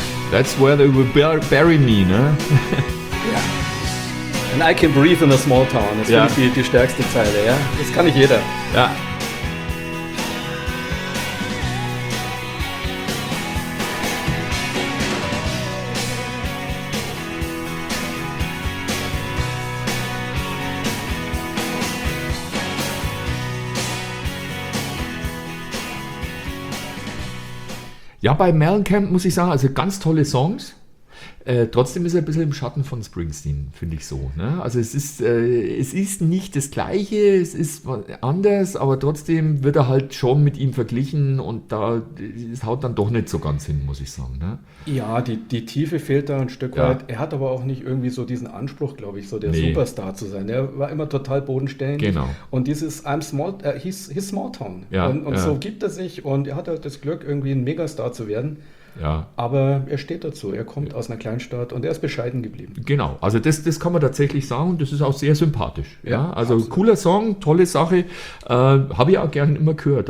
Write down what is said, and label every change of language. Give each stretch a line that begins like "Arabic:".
English: That's where they will bury me, ne?
German: Ja. And I can breathe in a small town. Das finde ich die stärkste Zeile, ja? Das kann nicht jeder. Ja. Ja, bei Mellencamp muss ich sagen, also ganz tolle Songs. Trotzdem ist er ein bisschen im Schatten von Springsteen, finde ich so. Ne? Also es ist nicht das Gleiche, es ist anders, aber trotzdem wird er halt schon mit ihm verglichen und da es haut dann doch nicht so ganz hin, muss ich sagen. Ne? Ja, die Tiefe fehlt da ein Stück weit. Er hat aber auch nicht irgendwie so diesen Anspruch, glaube ich, so der Superstar zu sein. Er war immer total bodenständig. Genau. Und dieses
English: I'm small, he's small town.
German: Ja, und so gibt er sich und er hat halt das Glück, irgendwie ein Megastar zu werden. Ja. Aber er steht dazu, er kommt aus einer Kleinstadt und er ist bescheiden geblieben. Genau, also das kann man tatsächlich sagen und das ist auch sehr sympathisch. Ja, also absolut. Cooler Song, tolle Sache, habe ich auch gerne immer gehört.